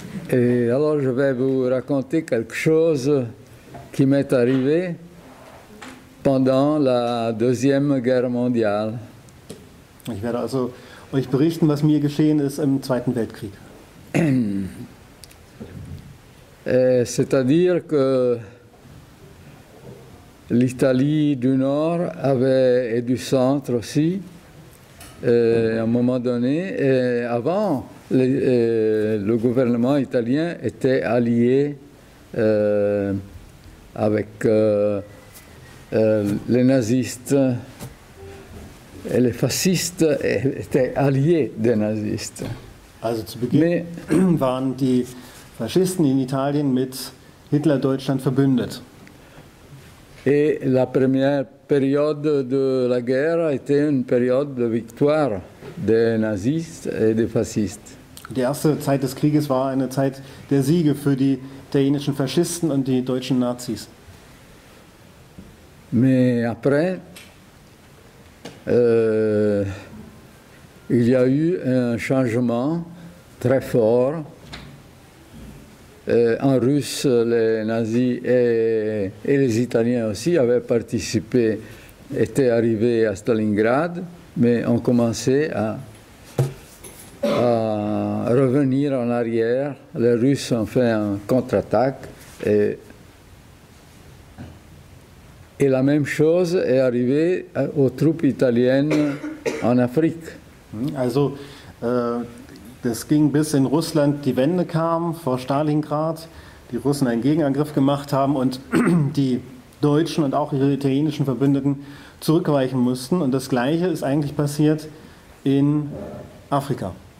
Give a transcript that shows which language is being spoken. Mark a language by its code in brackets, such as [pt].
[fr] Et alors je vais vous raconter quelque chose qui m'est arrivé pendant la Deuxième Guerre mondiale. [de] Ich werde also euch berichten, was mir geschehen ist im Zweiten Weltkrieg. [fr] C'est-à-dire que l'Italie du Nord avait, et du Centre aussi, à un moment donné, et avant, le gouvernement italien était allié avec les nazistes, et les fascistes étaient alliés des nazistes. [de] Also zu Beginn Mais, waren die Faschisten in Italien mit Hitler-Deutschland verbündet. [fr] Et la première période de la guerre était une période de victoire des nazistes et des fascistes. [de] Die erste Zeit des Krieges war eine Zeit der Siege für die italienischen Faschisten und die deutschen Nazis. [fr] Mais après, il y a eu un changement très fort. En Russe, les nazis et les Italiens aussi avaient participé, étaient arrivés à Stalingrad, mais ont commencé à revenir en arrière. Les Russes ont fait un contre-attaque et la même chose est arrivée aux troupes italiennes en Afrique. [de] Also, das ging bis in Russland, die Wende kam vor Stalingrad, die Russen einen Gegenangriff gemacht haben und die Deutschen und auch ihre italienischen Verbündeten zurückweichen mussten. Und das Gleiche ist eigentlich passiert in Afrika.